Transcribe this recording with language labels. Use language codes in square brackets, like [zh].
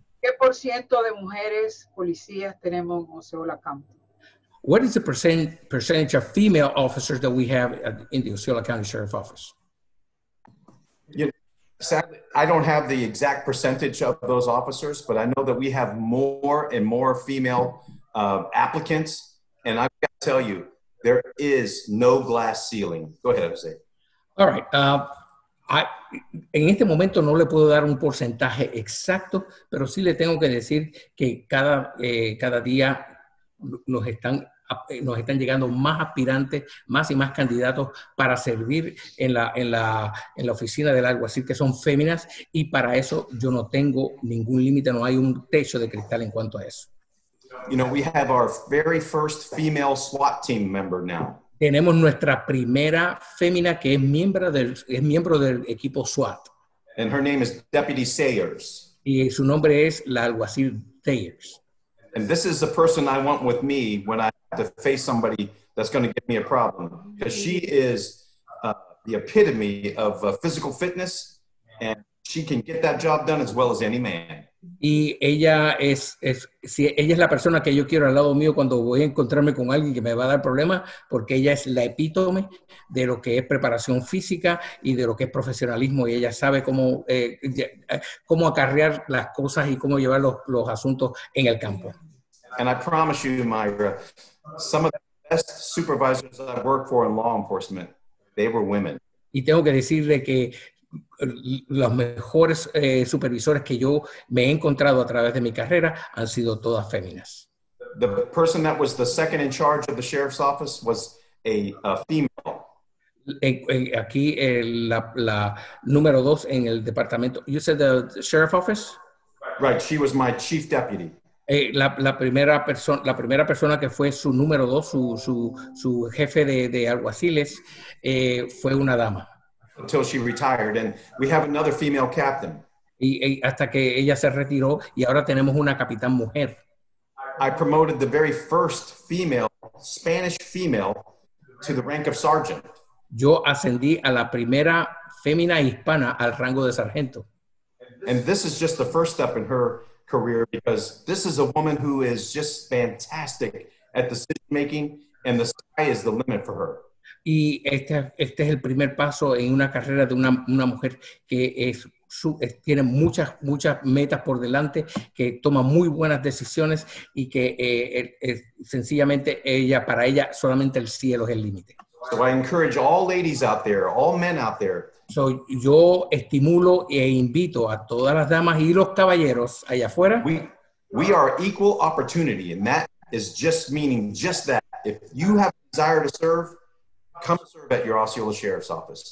[es] ¿Qué por ciento de mujeres policías tenemos en Osceola County? [en] What is the percentage of female officers that we have in the Osceola County Sheriff Office? Sadly, I don't have the exact percentage of those officers, but I know that we have more and more female applicants. And I've got to tell you, there is no glass ceiling. Go ahead, Jose. All right. [es] En este momento no le puedo dar un porcentaje exacto, pero sí le tengo que decir que cada día nos están llegando más aspirantes, más y más candidatos para servir en la oficina del alguacil, que son féminas, y para eso yo no tengo ningún límite, no hay un techo de cristal en cuanto a eso. [en] You know, we have our very first female SWAT team member now. [es] Tenemos nuestra primera fémina que es miembro del equipo SWAT. [en] And her name is Deputy Sayers. [es] Y su nombre es la alguacil Sayers. [en] And this is the person I want with me when I have to face somebody that's going to give me a problem. Because she is the epitome of physical fitness, and she can get that job done as well as any man. [es] Y ella es la persona que yo quiero al lado mío cuando voy a encontrarme con alguien que me va a dar problemas, porque ella es la epítome de lo que es preparación física y de lo que es profesionalismo, y ella sabe cómo acarrear las cosas y cómo llevar los asuntos en el campo. [en] And I promise you, Myra, some of the best supervisors that I've worked for in law enforcement, they were women. [es] Y tengo que decirle que los mejores supervisores que yo me he encontrado a través de mi carrera han sido todas féminas. [en] The person that was the second in charge of the sheriff's office was a female. [es] Aquí la número dos en el departamento. [en] You said the sheriff office? Right, she was my chief deputy. [es] La primera persona que fue su número dos, su jefe de alguaciles, fue una dama. [en] Until she retired, and we have another female captain. [es] Y hasta que ella se retiró, y ahora tenemos una capitán mujer. [en] I promoted the very first female, Spanish female, to the rank of sergeant. [es] Yo ascendí a la primera fémina hispana al rango de sargento. [en] And this is just the first step in her career, because this is a woman who is just fantastic at decision making, and the sky is the limit for her. [es] Y este es el primer paso en una carrera de una mujer que tiene muchas, muchas metas por delante, que toma muy buenas decisiones y que sencillamente ella, para ella solamente el cielo es el límite. [en] So I encourage all ladies out there, all men out there. [es] So yo estimulo e invito a todas las damas y los caballeros allá afuera. [en] We are equal opportunity, and that is just meaning just that. If you have a desire to serve, come serve at your Osceola Sheriff's Office.